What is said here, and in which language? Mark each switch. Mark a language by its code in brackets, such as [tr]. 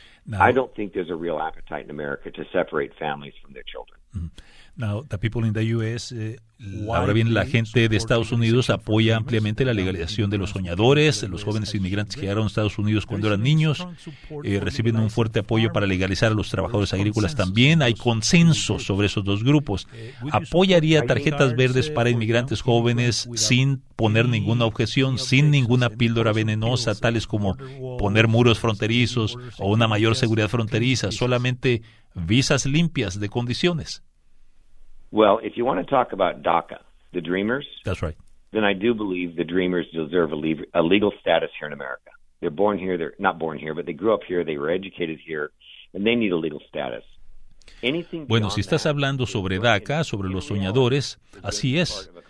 [en] I don't think there's a real appetite in America to separate families from their children. Now, the people in the U.S. [es] Ahora bien, la gente de Estados Unidos apoya ampliamente la legalización de los soñadores, los jóvenes inmigrantes que llegaron a Estados Unidos cuando eran niños, reciben un fuerte apoyo para legalizar a los trabajadores agrícolas también. Hay consenso sobre esos dos grupos. ¿Apoyaría tarjetas verdes para inmigrantes jóvenes sin poner ninguna objeción, sin ninguna píldora venenosa, tales como poner muros fronterizos o una mayor seguridad fronteriza, solamente visas limpias de condiciones? [en] Well, if you want to talk about DACA, the Dreamers, that's right. Then I do believe the Dreamers deserve a legal status here in America. They're born here, they're not born here, but they grew up here, they were educated here, and they need a legal status. [es] Anything bueno, si estás hablando sobre DACA, sobre los soñadores, así es.